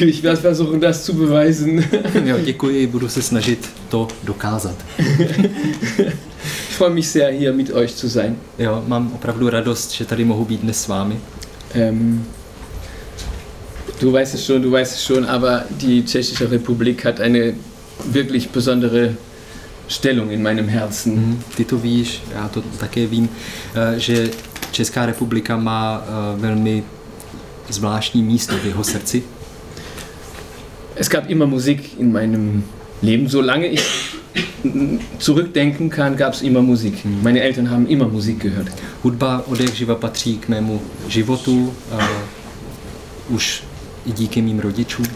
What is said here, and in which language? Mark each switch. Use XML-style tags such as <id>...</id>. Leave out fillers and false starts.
<de>Ich werde versuchen, das zu beweisen.</de> <cs>Ja, děkuji, budu se snažit to dokázat.</cs> <de>Ich freue mich sehr, hier mit euch zu sein.</de> <cs>Jo, mám opravdu radost, že tady mohu být dnes s vámi.</cs> <de>Du weißt es schon, aber die Tschechische Republik hat eine wirklich besondere Stellung in meinem Herzen.</de> <cs>Ty to víš, já to také vím, že Česká republika má velmi zvláštní místo v jeho srdci.</cs> <de>Es gab immer Musik in meinem Leben, solange ich zurückdenken kann, gab es immer Musik. Meine Eltern haben immer Musik gehört.</de> <cs>Hudba odjakživa patří k mému životu, už i díky mým rodičům.</cs>